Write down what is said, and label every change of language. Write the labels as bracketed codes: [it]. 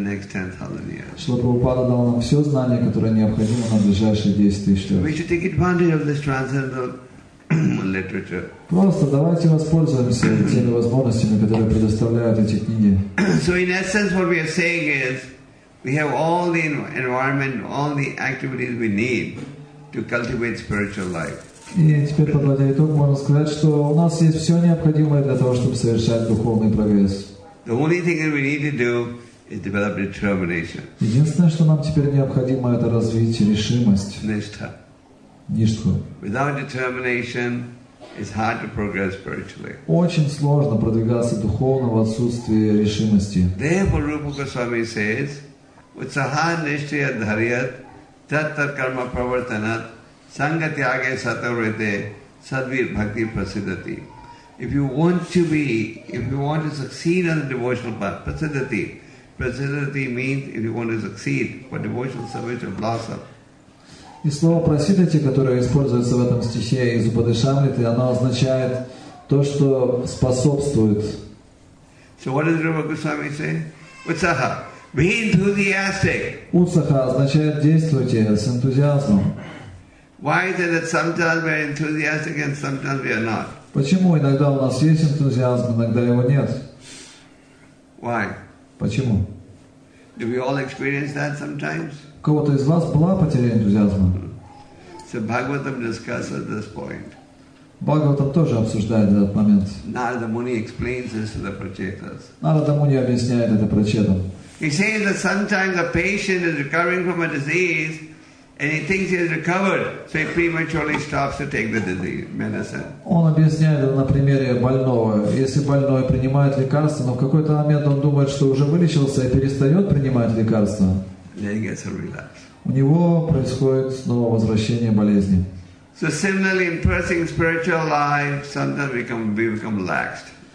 [ru] Шрила Прабхупада дал нам все знание, которое необходимо на ближайшие 10,000 лет. Просто давайте воспользуемся теми возможностями, которые предоставляют эти книги. [en] So in essence, what we are saying is, we have all the environment, all the activities we need to cultivate spiritual life. [ru] И теперь, подводя итог, можно сказать, что у нас есть все необходимое для того, чтобы совершать духовный прогресс. [en] The only thing that we need to do is develop determination. [ru] Единственное, что нам теперь необходимо, это развить решимость. [sa] Ништха. Ништха. [en] Without determination, it's hard to progress spiritually. [ru] Очень сложно продвигаться духовно в отсутствии решимости. [en] Therefore, Rupa Goswami says, [sa] Utsaha nishtriya dharyat tattat karma pravartanat Sangatyage satavrite sadvir bhakti prasiddhati. [en] If you want to succeed on the devotional path, prasiddhati means if you want to succeed for devotional service or blossom. [ru] И слово prasiddhati, которое используется в этом стихе из Упанишады, оно означает то, что способствует. [en] So what does Rupa Goswami say? Utsaha. Be enthusiastic. [ru] Utsaha означает действуйте с энтузиазмом. [en] Why is it that sometimes we are enthusiastic and sometimes we are not? [ru] Почему иногда у нас есть энтузиазм, иногда его нет? [en] Why? [ru] Почему? [en] Do we all experience that sometimes? [ru] У кого-то из вас была потеря энтузиазма? [en] So Bhagavatam discusses this point. [ru] Бхагаватам тоже обсуждает этот момент. [en] Narada Muni explains this to the Prachetas. [ru] Narada Muni объясняет это Прачетам. [en] He says that sometimes a patient is recovering from a disease. And he thinks he has recovered, so he prematurely stops to take the medicine. [ru] Он объясняет на примере больного. Если больной принимает лекарство, но в какой-то момент он думает, что уже вылечился и перестает принимать лекарство. [en] Then he gets a relapse. [ru] У него происходит снова возвращение болезни. [en] So similarly, in pursuing spiritual life, sometimes we become laxed.